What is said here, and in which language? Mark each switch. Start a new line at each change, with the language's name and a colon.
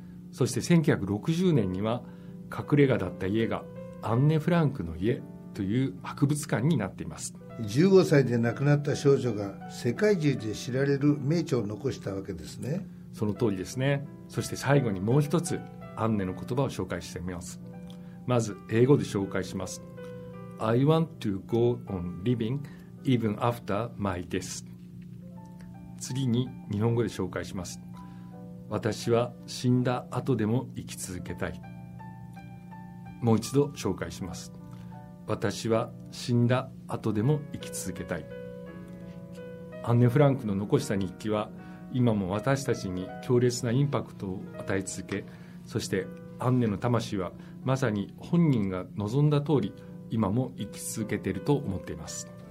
Japanese: そして1960年には隠れ家だった家がアンネ・フランクの家という博物館になっています。 15歳で亡くなった少女が世界中で知られる名著を残したわけですね。その通りですね。そして最後にもう一つアンネの言葉を紹介してみます。まず英語で紹介します。
English: I want to go on living even after my death。
Japanese: 次に日本語で紹介します。私は死んだ後でも生き続けたい。もう一度紹介します。私は死んだ後でも生き続けたい。アンネ・フランクの残した日記は今も私たちに強烈なインパクトを与え続け、そしてアンネの魂はまさに本人が望んだ通り今も生き続けていると思っています。